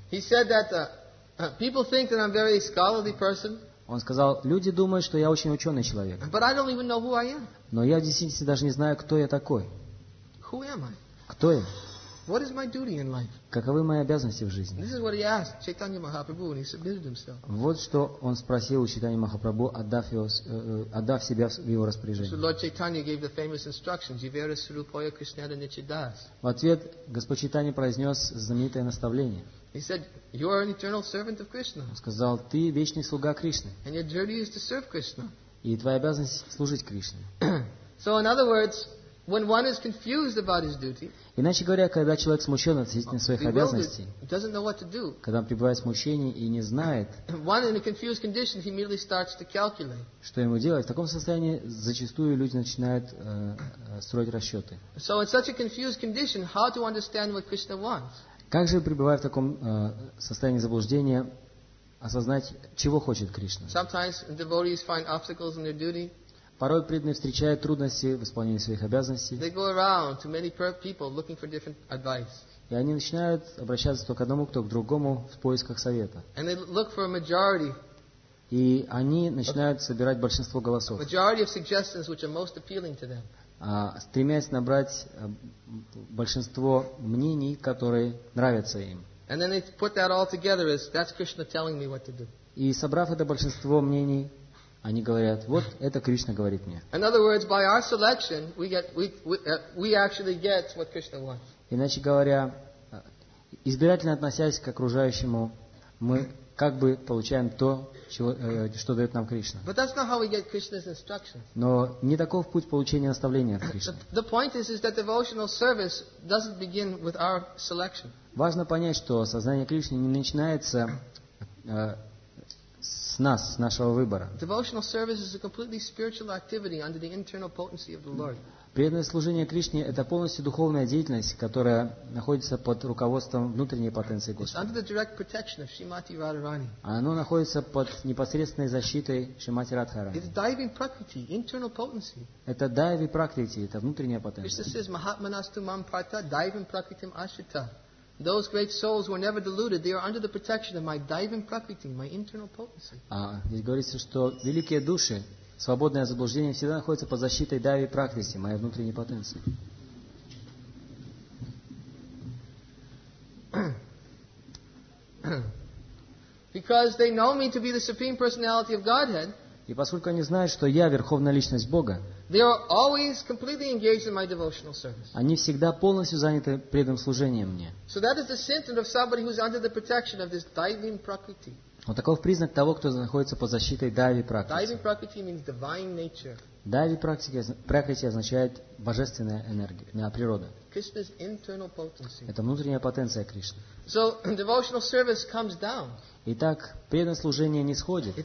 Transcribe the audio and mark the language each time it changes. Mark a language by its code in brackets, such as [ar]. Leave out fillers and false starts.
[en] He said that people think that I'm a very scholarly person. [ru] Он сказал, люди думают, что я очень ученый человек. [en] But I don't even know who I am. [ru] Но я в действительности даже не знаю, кто я такой. [en] Who am I? [ru] Кто я? [en] What is my duty in life? [ru] Каковы мои обязанности в жизни? [en] This is what he asked Chaitanya Mahaprabhu when he submitted himself. [ru] Вот что он спросил у Чайтаньи Махапрабху, отдав себя в его распоряжение. [en] So Lord Chaitanya gave the famous instructions, [sa] Jivera Surupaya Krishnada Nichidas. [ru] В ответ Господь Чайтанья произнес знаменитое наставление. [en] He said, "You are an eternal servant of Krishna." [ru] Он сказал, ты вечный слуга Кришны. [en] And your duty is to serve Krishna. [ru] И твоя обязанность служить Кришне. [en] So in other words, When one is confused about his duty, [ru] иначе говоря, когда человек смущен относительно своих обязанностей, [en] doesn't know what to do, [ru] когда он пребывает в смущении и не знает, [en] one in a confused condition, he merely starts to calculate. [ru] Что ему делать, в таком состоянии зачастую люди начинают строить расчеты. [en] So in such a confused condition, how to understand what Krishna wants? [ru] Как же, пребывая в таком состоянии заблуждения, осознать, чего хочет Кришна? [en] Sometimes devotees find obstacles in their duty. [ru] Порой преданные встречают трудности в исполнении своих обязанностей. [en] They go around to many people looking for different advice. [ru] И они начинают обращаться то к одному, то к другому в поисках совета. [en] And they look for a majority. [ru] И они начинают собирать большинство голосов. [en] A majority of suggestions which are most appealing to them. [ru] Стремясь набрать большинство мнений, которые нравятся им. [en] And then they put that all together as that's Krishna telling me what to do. [ru] И собрав это большинство мнений, они говорят, вот это Кришна говорит мне. [en] In other words, by our selection, we actually get what Krishna wants. [ru] Иначе говоря, избирательно относясь к окружающему, мы как бы получаем то, что дает нам Кришна. [en] But that's not how we get Krishna's instructions. [ru] Но не таков путь получения наставления от Кришны. [en] The point is that devotional service doesn't begin with our selection. [ru] Важно понять, что сознание Кришны не начинается с нас, с нашего выбора. [en] Devotional service is a completely spiritual activity under the internal potency of the Lord. [ru] Преданное служение Кришне – это полностью духовная деятельность, которая находится под руководством внутренней потенции Господа. [en] It's under the direct protection of Shrimati Radharani. [ru] Оно находится под непосредственной защитой Шримати Радхарани. [en] It's diving prakriti, internal potency. [ru] Это дайви пракрити, это внутренняя потенция. [en] Krishna says, [sa] Mahatmanastu mam prata, diving prakritim ashrita. [en] Those great souls were never deluded. They are under the protection of my diving prakriti, my internal potency. [ru] Здесь говорится, что великие души, свободное заблуждение, всегда находится под защитой дайви практики, моей внутренней потенции. [en] Because they know me to be the supreme personality of Godhead. [ru] И поскольку они знают, что я верховная личность Бога, [en] they are always completely engaged in my devotional service. [ru] Они всегда полностью заняты преданным служением мне. [en] So that is the symptom of somebody who is under the protection of this divine prakriti. [ru] Вот таков признак того, кто находится под защитой дайви практики. [en] Дайви практики means divine nature. [ru] Дайви практики означает божественная энергия, природа. [en] Krishna's internal potency. [ru] Это внутренняя потенция Кришны. [en] So devotional service comes down. [ru] Итак, преданное служение не сходит.